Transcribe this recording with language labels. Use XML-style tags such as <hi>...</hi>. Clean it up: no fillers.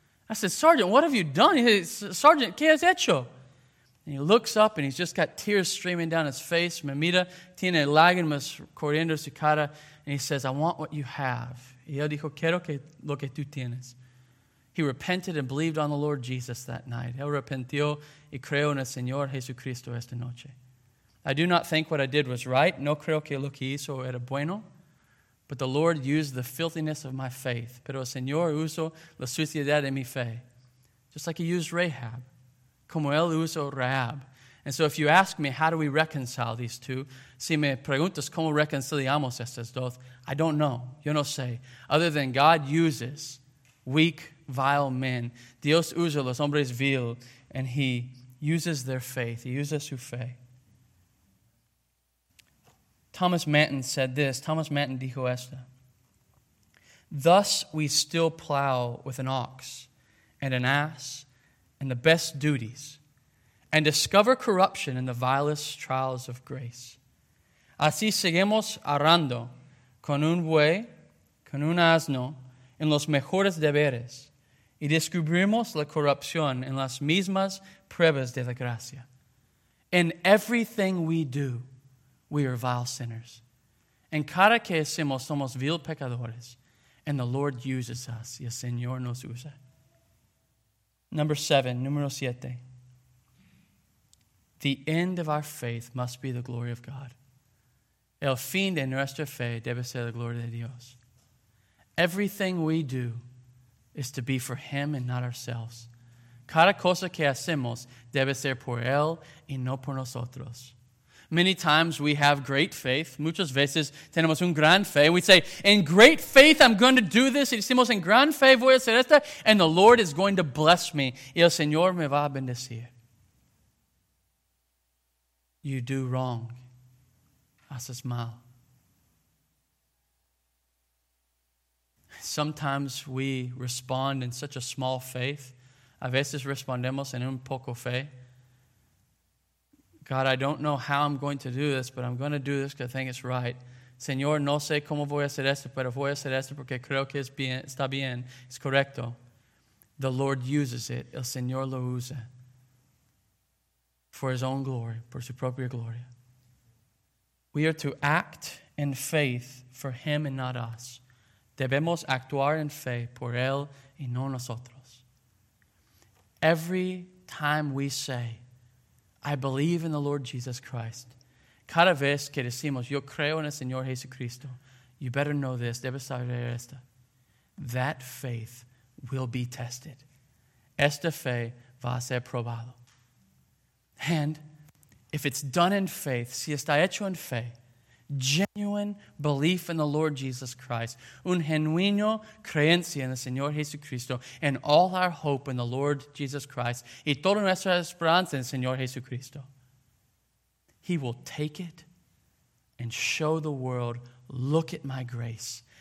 <en>I said, Sergeant, what have you done? He said,</en> <es>Sergeant, ¿qué has hecho?</es> <en>And he looks up, and he's just got tears streaming down his face.</en> <es>Me mira, tiene lágrimas corriendo su cara.</es> <en>And he says, I want what you have.</en> <es>Y él dijo, quiero que lo que tú tienes.</es> <en>He repented and believed on the Lord Jesus that night.</en> <es>Él arrepintió y creó en el Señor Jesucristo esta noche.</es> <en>I do not think what I did was right.</en> <es>No creo que lo que hizo era bueno.</es> <en>But the Lord used the filthiness of my faith.</en> <es>Pero el Señor usó la suciedad de mi fe.</es> <en>Just like he used Rahab. Como él usó Rahab. And so if you ask me, how do we reconcile these two?</en> <es>Si me preguntas, ¿cómo reconciliamos estas dos?</es> <en>I don't know.</en> <es>Yo no sé.</es> <en>Other than God uses weak, vile men.</en> <es>Dios usa los hombres vil,</es> <en>and he uses their faith. He uses</en> <es>su fe.</es> <en>Thomas Manton said this.</en> <es>Thomas Manton dijo esta.</es> <en>Thus we still plow with an ox and an ass and the best duties and discover corruption in the vilest trials of grace.</en> <es>Así seguimos arando con un buey, con un asno, en los mejores deberes. Y descubrimos la corrupción en las mismas pruebas de la gracia.</es> <en>In everything we do, we are vile sinners.</en> <es>En cada que hacemos, somos vil pecadores.</es> <en>And the Lord uses us.</en> <es>Y el Señor nos usa. Número siete.</es> <en>The end of our faith must be the glory of God.</en> <es>El fin de nuestra fe debe ser la gloria de Dios.</es> <en>Everything we do is to be for him and not ourselves.</en> <es>Cada cosa que hacemos debe ser por él y no por nosotros.</es> <en>Many times we have great faith.</en> <es>Muchas veces tenemos un gran fe.</es> <en>We say, in great faith, I'm going to do this.</en> <es>Y decimos, en gran fe voy a hacer esto.</es> <en>And the Lord is going to bless me.</en> <es>Y el Señor me va a bendecir.</es> <en>You do wrong.</en> <es>Haces mal.</es> <en>Sometimes we respond in such a small faith.</en> <es>A veces respondemos en un poco fe.</es> <en>God, I don't know how I'm going to do this, but I'm going to do this because I think it's right.</en> <es>Señor, no sé cómo voy a hacer esto, pero voy a hacer esto porque creo que es bien, está bien, es correcto.</es> <en>The Lord uses it.</en> <es>El Señor lo usa.</es> <en>For his own glory,</en> <es>por su propia gloria.</es> <en>We are to act in faith for him and not us.</en> <es>Debemos actuar en fe por él y no nosotros.</es> <en>Every time we say, I believe in the Lord Jesus Christ.</en> <es>Cada vez que decimos, yo creo en el Señor Jesucristo.</es> <en>You better know this.</en> <es>Debes saber esto.</es> <en>That faith will be tested.</en> <es>Esta fe va a ser probado.</es> <en>And if it's done in faith,</en> <es>si está hecho en fe,</es> <en>genuine belief in the Lord Jesus Christ,</en> <es>un genuino creencia en el Señor Jesucristo,</es> <en>and all our hope in the Lord Jesus Christ,</en> <es>y toda nuestra esperanza en el Señor Jesucristo,</es> <en>he will take it and show the world, look at my grace.</en>